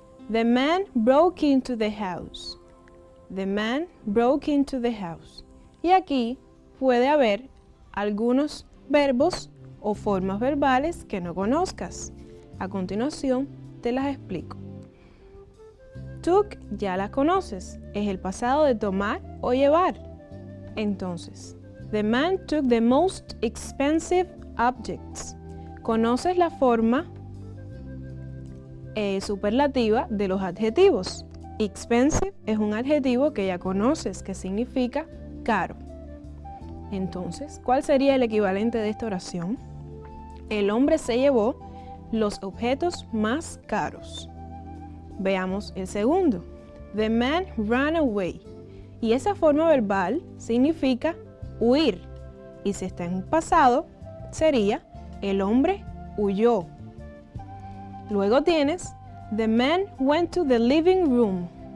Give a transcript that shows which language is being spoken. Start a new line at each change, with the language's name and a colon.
English: The man broke into the house. The man broke into the house.
Spanish: Y aquí puede haber algunos verbos o formas verbales que no conozcas. A continuación, te las explico. Took ya las conoces, es el pasado de tomar o llevar.
English: Entonces, the man took the most expensive objects.
Spanish: ¿Conoces la forma superlativa de los adjetivos? Expensive es un adjetivo que ya conoces, que significa caro. Entonces, ¿cuál sería el equivalente de esta oración? El hombre se llevó los objetos más caros. Veamos el segundo.
English: The man ran away.
Spanish: Y esa forma verbal significa huir. Y si está en un pasado, sería el hombre huyó. Luego tienes
English: the man went to the living room.